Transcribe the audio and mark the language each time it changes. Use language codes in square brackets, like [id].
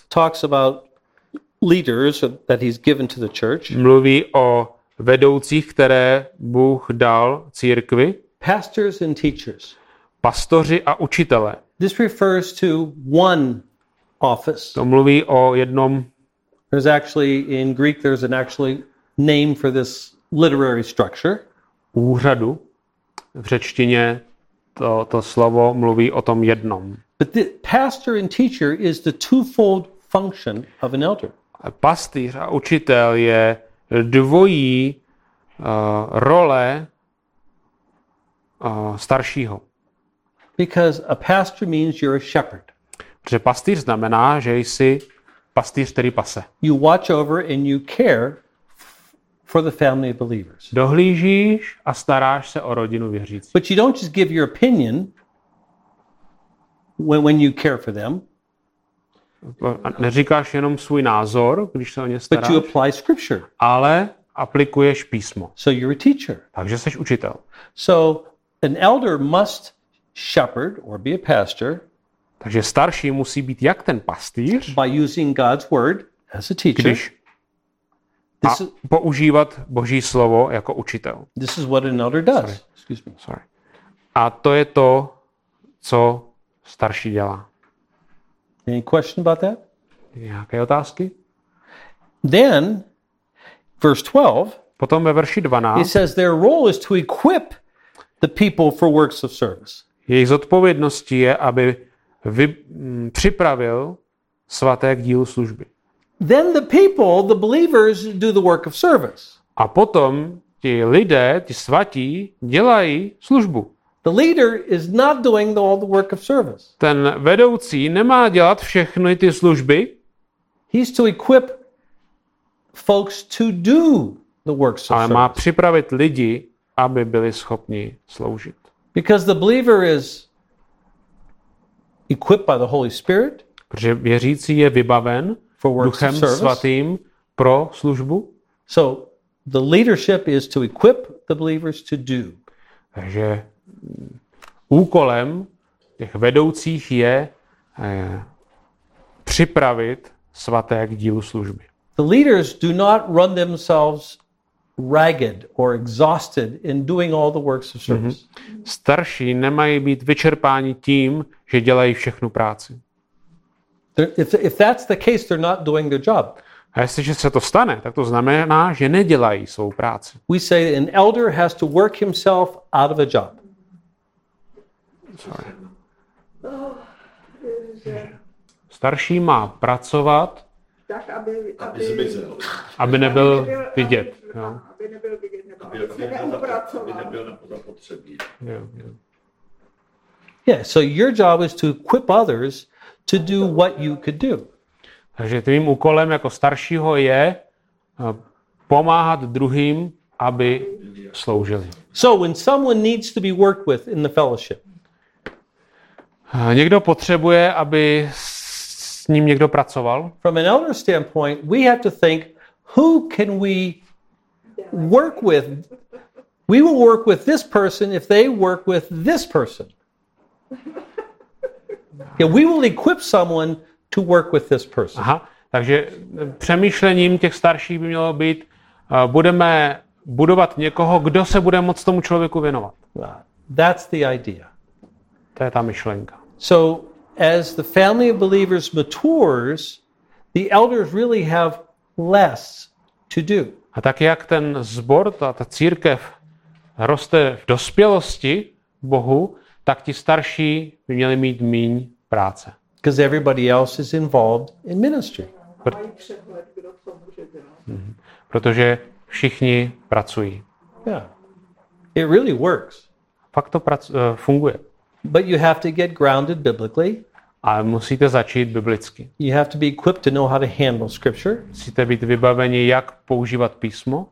[en] talks about leaders that he's given to the church. [cs] Mluví o vedoucích, které Bůh dal církvi. [en] Pastors and teachers. [cs] Pastoři a učitelé. [en] This refers to one office. [cs] To mluví o jednom. [en] There's actually in Greek there's an actually name for this literary structure. [cs] Úřadu. V řečtině to slovo mluví o tom jednom. [en] But the pastor and teacher is the twofold function of an elder. [cs] Pastýř a učitel je dvojí role staršího. [en] Because a pastor means you're a shepherd. [cs] Protože pastýř znamená, že jsi pastýř, který pase. [en] You watch over and you care for the family of believers. [cs] Dohlížíš a staráš se o rodinu věřících. [en] But you don't just give your opinion when you care for them. [cs] Neříkáš jenom svůj názor, když se o ně staráš. [en] But you apply scripture. [cs] Ale aplikuješ písmo. [en] So you're a teacher. [cs] Takže jsi učitel. [en] So an elder must shepherd or be a pastor. [cs] Takže starší musí být jak ten pastýř. [en] By using God's word as a teacher. [cs] Když a používat Boží slovo jako učitel. [en] This is what an elder does. Excuse me. Sorry. [cs] A to je to, co starší dělá. [en] Any question about that? [cs] Nějaké otázky? [en] Then, verse 12. [cs] Potom ve verši 12. [en] He says their role is to equip the people for works of service. [cs] Jejich zodpovědností je, aby připravil svaté k dílu služby. [en] Then the people, the believers, do the work of service. [cs] A potom ti lidé, ti svatí, dělají službu. [en] The leader is not doing all the work of service. [cs] Ten vedoucí nemá dělat všechny ty služby. [en] He's to equip folks to do the works of service. [cs] Ale má připravit lidi, aby byli schopni sloužit. [en] Because the believer is equipped by the Holy Spirit. [cs] Protože věřící je vybaven Duchem svatým pro službu. [en] So the leadership is to equip the believers to do. [cs] Takže úkolem těch vedoucích je připravit svaté k dílu služby. [en] The leaders do not run themselves ragged or exhausted in doing all the works of service. [cs] Starší nemají být vyčerpáni tím, že dělají všechnu práci. [en] If that's the case, they're not doing their job. [cs] A jestliže se to stane, tak to znamená, že nedělají svou práci. [en] We say an elder has to work himself out of a job. Sorry. [cs] Starší má pracovat, tak aby zmizel. Aby nebyl vidět. Jo. Aby nebyl vidět, nebo aby nebyl zapotřebí. [en] Yeah, so your job is to equip others to do what you could do. [cs] Takže tvým úkolem jako staršího je pomáhat druhým, aby sloužili. [en] So when someone needs to be worked with in the fellowship. [cs] Někdo potřebuje, aby s ním někdo pracoval. [en] From an elder standpoint, we have to think, who can we work with? We will work with this person if they work with this person. Yeah, we will equip someone to work with this person. [cs] Aha, takže přemýšlením těch starších by mělo být, budeme budovat někoho, kdo se bude moct tomu člověku věnovat. [en] That's the idea. [cs] To je ta myšlenka. [en] So as the family of believers matures, the elders really have less to do. [cs] A tak jak ten sbor, ta církev roste v dospělosti Bohu, tak ti starší by měli mít míň práce. [en] Because everybody else is involved in ministry. [cs] Protože všichni pracují. [en] Yeah. It really works. [cs] Fakt to funguje. [en] But you have to get grounded biblically. [cs] A musíte začít biblicky. [en] You have to be equipped to know how to handle scripture. [cs] Musíte být vybaveni, jak používat písmo.